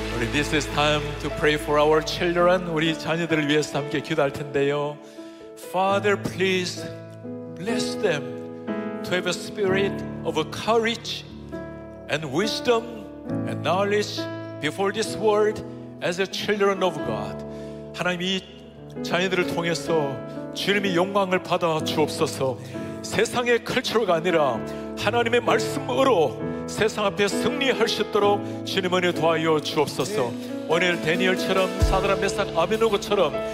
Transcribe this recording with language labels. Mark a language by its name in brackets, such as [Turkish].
[English] This is time to pray for our children. [Korean] 우리 자녀들을 위해서 함께 기도할 텐데요. [English] Father, please bless them to have a spirit of courage and wisdom and knowledge before this world as a children of God. [Korean] 하나님, 이 자녀들을 통해서 주님이 영광을 받아 주옵소서. 세상의 컬처가 아니라 하나님의 말씀으로 세상 앞에 승리할 수 있도록 주님 은혜 도와주옵소서. 오늘 다니엘처럼 사드락 메삭 아벳느고처럼